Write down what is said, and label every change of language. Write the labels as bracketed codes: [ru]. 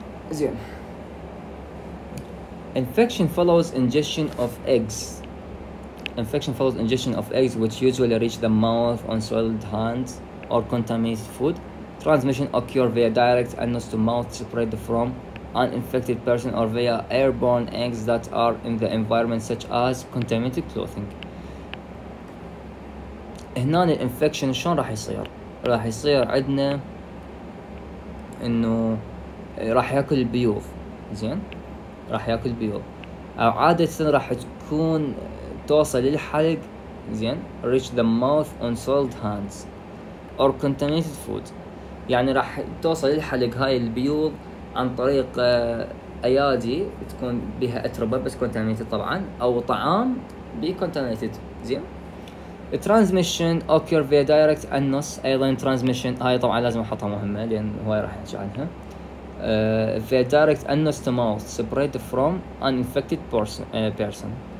[en] زين، infection follows ingestion of eggs. Infection follows ingestion of eggs, which usually reach the mouth on soiled hands or contaminated food. Transmission occurs via direct anus to mouth spread from an infected person or via airborne eggs that are in the environment, such as contaminated clothing. [ar] هنا الانفكشن شلون راح يصير؟ راح يصير عندنا انه راح ياكل البيوف، زين؟ راح ياكل البيوف. عادة راح تكون توصل للحلق، زين، [en] reach the mouth on soiled hands or contaminated food، [ar] يعني راح توصل للحلق هاي البيوض عن طريق ايادي تكون بها اتربة بس contaminated طبعا، او طعام بي contaminated، زين. [en] transmission occur via direct anus، [ar] ايضا transmission هاي طبعا لازم احطها مهمة لان هواي راح نحكي عنها. [en] via direct anus to mouth spread from an infected person.